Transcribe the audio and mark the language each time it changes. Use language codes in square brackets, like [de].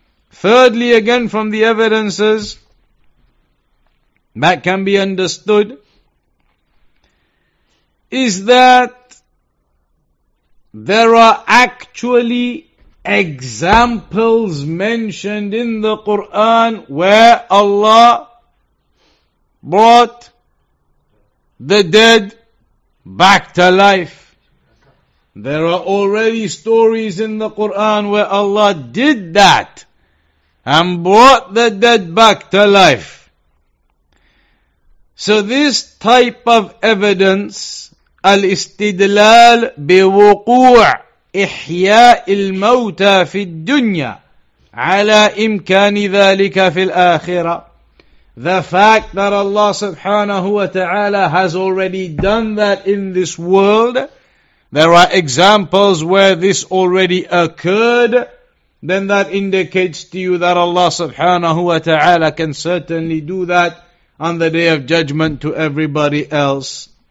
[en] Thirdly, again from the evidences that can be understood, is that there are actually examples mentioned in the Quran where Allah brought the dead back to life. There are already stories in the Quran where Allah did that and brought the dead back to life. So this type of evidence, [ar] الاستدلال بوقوع إحياء الموتى في الدنيا على إمكان ذلك في الآخرة. [en] The fact that Allah subhanahu wa ta'ala has already done that in this world, there are examples where this already occurred, then that indicates to you that Allah subhanahu wa ta'ala can certainly do that on the day of judgment to everybody else.